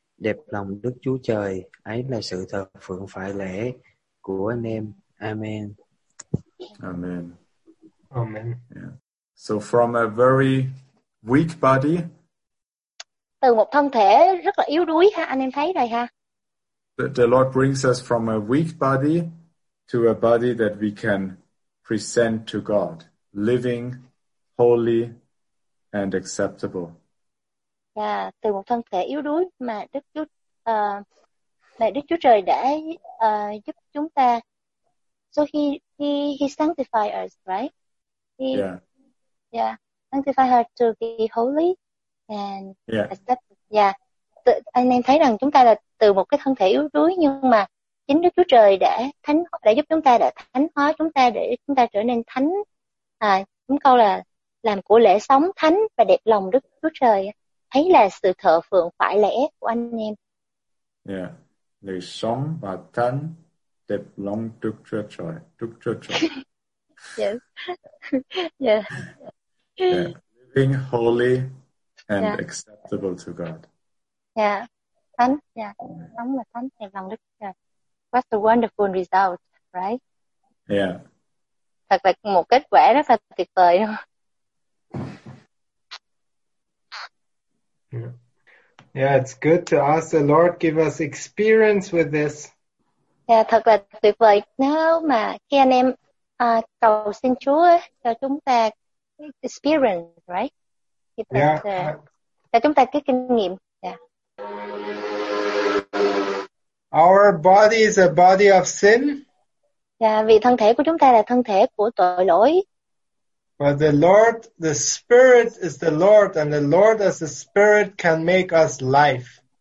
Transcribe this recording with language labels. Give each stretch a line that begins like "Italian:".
Vietnamese: đẹp lòng Đức Chúa Trời, ấy là sự thờ phượng phải lễ của anh em. Amen. Amen. Amen.
English: Yeah. So from a very weak body.
Vietnamese: Từ một thân thể rất là yếu đuối ha, anh em thấy rồi ha.
English: The Lord brings us from a weak body to a body that we can present to God, living, holy, and acceptable.
Vietnamese: Yeah, từ một thân thể yếu đuối mà Đức Chúa, mà Đức Chúa Trời đã giúp chúng ta.
English: So he sanctify us, right? Sanctify her to be holy and acceptable.
Vietnamese: Anh em thấy rằng chúng ta là từ một cái thân thể yếu đuối, nhưng mà chính Đức Chúa Trời đã giúp chúng ta, đã thánh hóa chúng ta để chúng ta trở nên thánh. À, đúng câu là làm của lễ sống thánh và đẹp lòng Đức Chúa Trời, thấy là sự thờ phượng phải lẽ của anh em. Yeah, lễ sống và thánh, đẹp lòng Đức Chúa Trời. Đức Chúa Trời.
English: Living holy and acceptable to God.
Vietnamese: Yeah, thánh, sống là thánh, đẹp lòng Đức Chúa Trời.
English: What a wonderful result, right? Yeah.
Vietnamese: Thật là một kết quả rất là tuyệt vời đúng không?
English: Yeah, it's good to ask the Lord give us experience with this.
Vietnamese: Yeah, thật là tuyệt vời. Nếu mà khi anh em cầu xin Chúa cho chúng ta
English: experience, right?
Vietnamese: Cho chúng ta cái kinh nghiệm.
English: Our body is a body of sin.
Vietnamese: Yeah, vì thân thể của chúng ta là thân thể của tội lỗi.
English: But the Lord, the Spirit is the Lord, and the Lord as the Spirit can make us life.